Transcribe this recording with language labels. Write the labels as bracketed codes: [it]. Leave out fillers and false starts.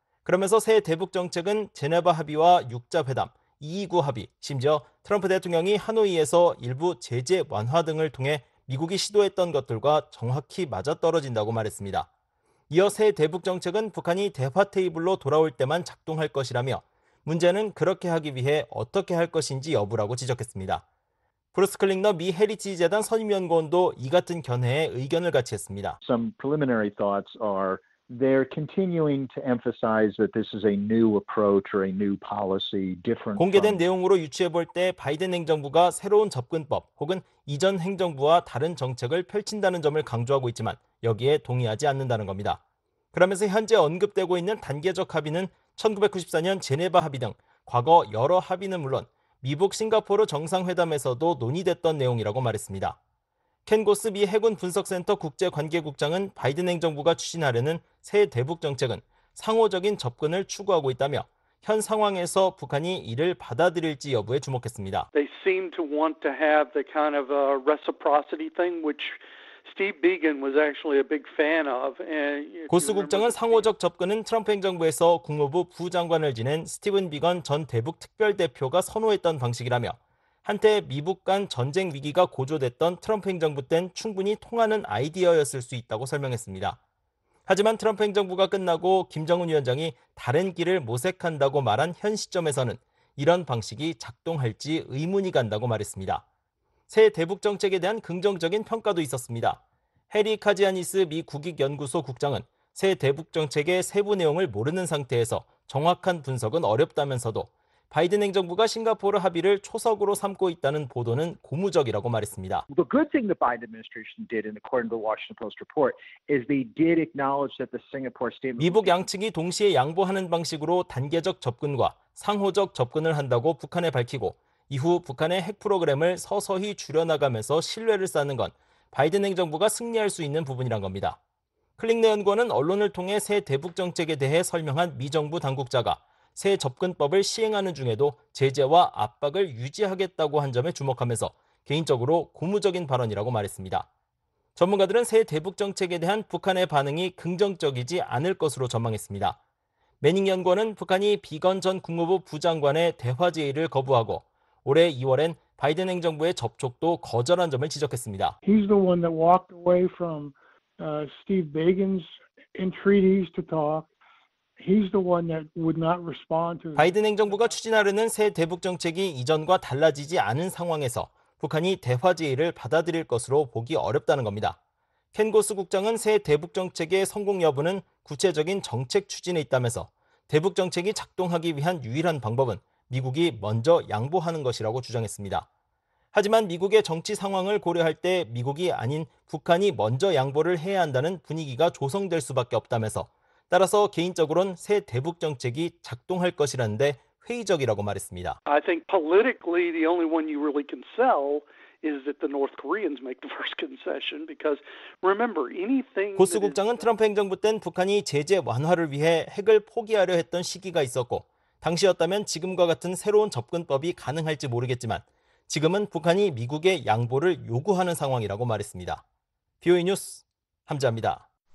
[ko] 그러면서 새 대북정책은 제네바 합의와 6자회담, 229 합의, 심지어 트럼프 대통령이 하노이에서 일부 제재 완화 등을 통해 미국이 시도했던 것들과 정확히 맞아떨어진다고 말했습니다. 이어 새 대북정책은 북한이 대화 테이블로 돌아올 때만 작동할 것이라며 문제는 그렇게 하기 위해 어떻게 할 것인지 여부라고 지적했습니다. 브루스 클링너 미 헤리티지 재단 선임연구원도 이 같은 견해에 의견을 같이 했습니다. [en] Some preliminary thoughts are they're continuing to emphasize that this is a new approach or a new policy different. [ko] 공개된 내용으로 유추해 볼 때 바이든 행정부가 새로운 접근법 혹은 이전 행정부와 다른 정책을 펼친다는 점을 강조하고 있지만 여기에 동의하지 않는다는 겁니다. 그러면서 현재 언급되고 있는 단계적 합의는 1994년 제네바 합의 등 과거 여러 합의는 물론 미북 싱가포르 정상회담에서도 논의됐던 내용이라고 말했습니다. 켄 고스 미 해군 분석센터 국제관계국장은 바이든 행정부가 추진하려는 새 대북정책은 상호적인 접근을 추구하고 있다며 현 상황에서 북한이 이를 받아들일지 여부에 주목했습니다. [en] They seem to want to have the kind of a reciprocity thing which Steve Biegun was actually a big fan of. [ko] 고스 국장은 상호적 접근은 트럼프 행정부에서 국무부 부장관을 지낸 스티븐 비건 전 대북 특별대표가 선호했던 방식이라며 한때 미북 간 전쟁 위기가 고조됐던 트럼프 행정부 땐 충분히 통하는 아이디어였을 수 있다고 설명했습니다. 하지만 트럼프 행정부가 끝나고 김정은 위원장이 다른 길을 모색한다고 말한 현 시점에서는 이런 방식이 작동할지 의문이 간다고 말했습니다. 새 대북 정책에 대한 긍정적인 평가도 있었습니다. 해리 카지아니스 미 국익연구소 국장은 새 대북 정책의 세부 내용을 모르는 상태에서 정확한 분석은 어렵다면서도 바이든 행정부가 싱가포르 합의를 초석으로 삼고 있다는 보도는 고무적이라고 말했습니다. [en] The good thing the Biden administration did in according to the Washington Post report is they did acknowledge that the Singapore statement [ko] 미북 양측이 동시에 양보하는 방식으로 단계적 접근과 상호적 접근을 한다고 북한에 밝히고 이후 북한의 핵 프로그램을 서서히 줄여나가면서 신뢰를 쌓는 건 바이든 행정부가 승리할 수 있는 부분이란 겁니다. 클링네 연구원은 언론을 통해 새 대북 정책에 대해 설명한 미 정부 당국자가 새 접근법을 시행하는 중에도 제재와 압박을 유지하겠다고 한 점에 주목하면서 개인적으로 고무적인 발언이라고 말했습니다. 전문가들은 새 대북 정책에 대한 북한의 반응이 긍정적이지 않을 것으로 전망했습니다. 매닝 연구원은 북한이 비건 전 국무부 부장관의 대화 제의를 거부하고 올해 2월엔 바이든 행정부의 접촉도 거절한 점을 지적했습니다. [en] He's the one that walked away from Steve Biegun's entreaties to talk. He's the one that would not respond to [ko] 바이든 행정부가 추진하려는 새 대북 정책이 이전과 달라지지 않은 상황에서 북한이 대화 제의를 받아들일 것으로 보기 어렵다는 겁니다. 켄 고스 국장은 새 대북 정책의 성공 여부는 구체적인 정책 추진에 있다면서 대북 정책이 작동하기 위한 유일한 방법은 미국이 먼저 양보하는 것이라고 주장했습니다. 하지만 미국의 정치 상황을 고려할 때 미국이 아닌 북한이 먼저 양보를 해야 한다는 분위기가 조성될 수밖에 없다면서 따라서 개인적으로는 새 대북 정책이 작동할 것이라는데 회의적이라고 말했습니다. [en] I think politically the only one you really can sell is that the North Koreans make the first concession because remember anything [ko] 고스 국장은 트럼프 행정부 땐 북한이 제재 완화를 위해 핵을 포기하려 했던 시기가 있었고 당시였다면 지금과 같은 새로운 접근법이 가능할지 모르겠지만 지금은 북한이 미국의 양보를 요구하는 상황이라고 말했습니다. BOA 뉴스 함재합니다.